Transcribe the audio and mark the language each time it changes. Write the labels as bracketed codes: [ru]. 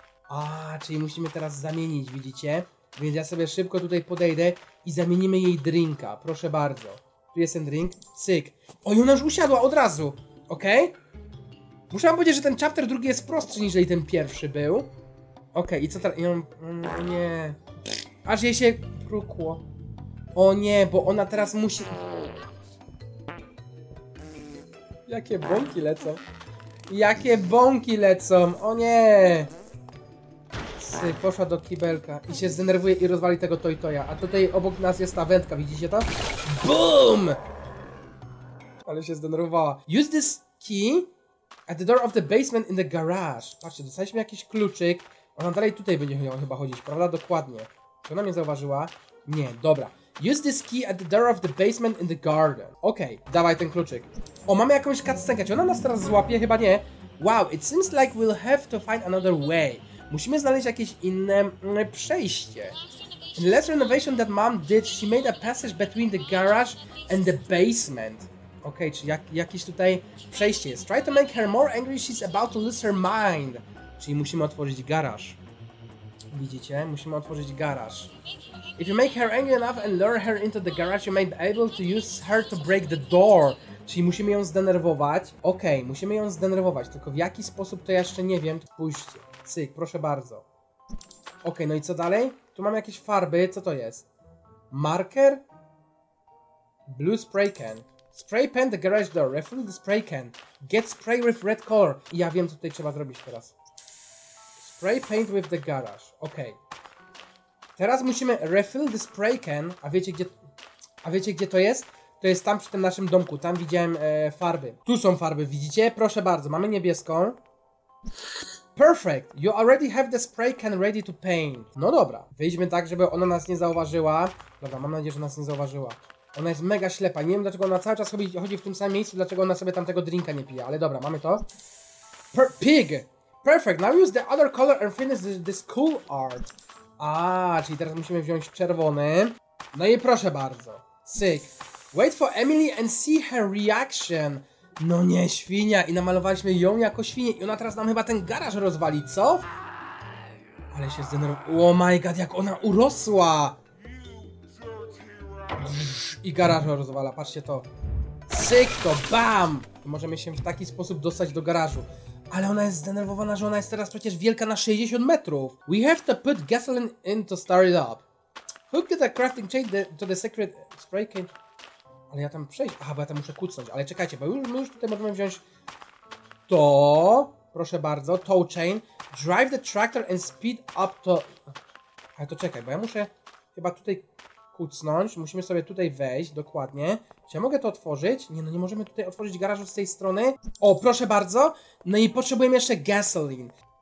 [pl] A, czyli musimy teraz zamienić, widzicie? Więc ja sobie szybko tutaj podejdę i zamienimy jej drinka, proszę bardzo. Tu jest ten drink, cyk. O, i ona już usiadła od razu, okej? Okay? Muszę wam powiedzieć, że ten chapter drugi jest prostszy niż ten pierwszy był. Okej, okay, i co teraz? I on... nie... Aż jej się prukło. O nie, bo ona teraz musi... Jakie bąki lecą. Jakie bąki lecą, o nie! Sy, poszła do kibelka i się zdenerwuje i rozwali tego toy-toya. A tutaj obok nas jest ta wędka, widzicie to? BOOM! Ale się zdenerwowała. [en] Use this key at the door of the basement in the garage. [pl] Patrzcie, dostaliśmy jakiś kluczyk. Ona dalej tutaj będzie miała chyba chodzić, prawda? Dokładnie. Czy ona mnie zauważyła? Nie, dobra. [en] Use this key at the door of the basement in the garden. [pl] Okej, okay, dawaj ten kluczyk. O, mamy jakąś cutscenkę. Czy ona nas teraz złapie? Chyba nie. [en] Wow, it seems like we'll have to find another way. [pl] Musimy znaleźć jakieś inne przejście. [en] In the last renovation that mom did, she made a passage between the garage and the basement. [pl] Okej, okay, czy jakieś tutaj przejście jest. [en] Try to make her more angry, she's about to lose her mind. [pl] Czyli musimy otworzyć garaż. Widzicie? Musimy otworzyć garaż. [en] If you make her angry enough and lure her into the garage, you may be able to use her to break the door. [pl] Czyli musimy ją zdenerwować. Okej, okay, musimy ją zdenerwować, tylko w jaki sposób to jeszcze nie wiem. Pójdźcie. Cyk, proszę bardzo. Okej, okay, no i co dalej? Tu mam jakieś farby, co to jest? Marker? [en] Blue spray can. Spray paint the garage door, refill the spray can. Get spray with red color. [pl] I ja wiem, co tutaj trzeba zrobić teraz. [en] Spray paint with the garage, [pl] okej. Okay. Teraz musimy [en] refill the spray can, [pl] a wiecie gdzie to jest? To jest tam przy tym naszym domku, tam widziałem farby. Tu są farby, widzicie? Proszę bardzo, mamy niebieską. [en] Perfect, you already have the spray can ready to paint. [pl] No dobra, wyjdźmy tak, żeby ona nas nie zauważyła. Dobra, mam nadzieję, że nas nie zauważyła. Ona jest mega ślepa, nie wiem dlaczego ona cały czas chodzi w tym samym miejscu, dlaczego ona sobie tamtego drinka nie pije, ale dobra, mamy to. Pig! [en] Perfect, now use the other color and finish this cool art. [pl] Aaa, czyli teraz musimy wziąć czerwony. No i proszę bardzo. Cyk. [en] Wait for Emily and see her reaction. [pl] No nie, świnia. I namalowaliśmy ją jako świnię i ona teraz nam chyba ten garaż rozwali, co? Ale się zdenerwowała. [en] Oh my god, [pl] jak ona urosła. I garaż rozwala, patrzcie to. Cyk to, bam. Możemy się w taki sposób dostać do garażu. Ale ona jest zdenerwowana, że ona jest teraz przecież wielka na 60 metrów. [en] We have to put gasoline in to start it up. Hook the crafting chain to the secret spray can. [pl] Ale ja tam przejdę. Aha, bo ja tam muszę kucnąć. Ale czekajcie, bo my już tutaj możemy wziąć to. Proszę bardzo, tow chain. [en] Drive the tractor and speed up to... [pl] Ale to czekaj, bo ja muszę chyba tutaj kucnąć. Musimy sobie tutaj wejść, dokładnie. Czy ja mogę to otworzyć? Nie, no nie możemy tutaj otworzyć garażu z tej strony. O, proszę bardzo. No i potrzebujemy jeszcze gasoline.